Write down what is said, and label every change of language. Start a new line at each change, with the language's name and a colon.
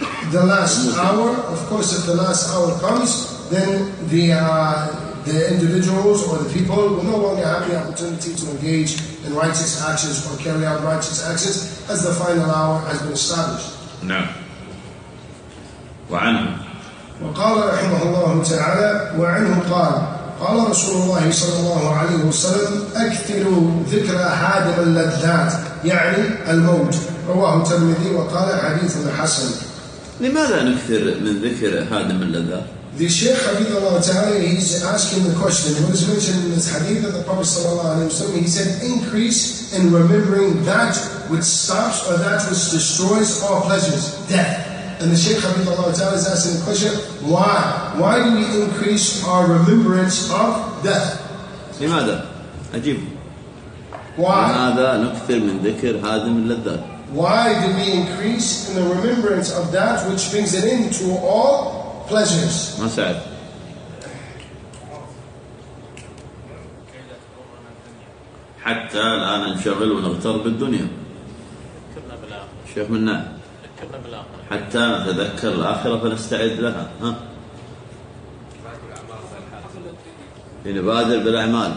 English: The last hour, of course, if the last hour comes, then the individuals or the people will no longer have the opportunity to engage in righteous actions or carry out righteous actions, as the final hour has been established. No.
Arabic: وقال رحمه الله تعالى وعنه قال قال رسول الله صلى الله عليه وسلم أكثروا ذكر هادم اللذات يعني الموت رواه الترمذي وقال حديث حسن. لماذا نكثر من ذكر هادم اللذات؟
English: The Shaykh Hafidhullah Ta'ala, he's asking the question. It was mentioned in this hadith of the Prophet Sallallahu Alaihi Wasallam. He said, increase in remembering that which stops or that which destroys all pleasures, death. And the Shaykh Hafidhullah Ta'ala is asking the question, why? Why do we increase our remembrance of death?
Arabic: لماذا؟ أجيب.
English: Why?
Arabic: لماذا نكثر من ذكر هادم اللذات؟
English: Why do we increase in the remembrance of that which brings an end to all pleasures?
Arabic: ما سعد؟ حتى لا ننشغل ونغتر بالدنيا. ذكرنا بالآخرة. شيخ منا. ذكرنا بالآخرة. حتى نتذكر الآخرة فنستعد لها. ها؟ نبادر بالأعمال.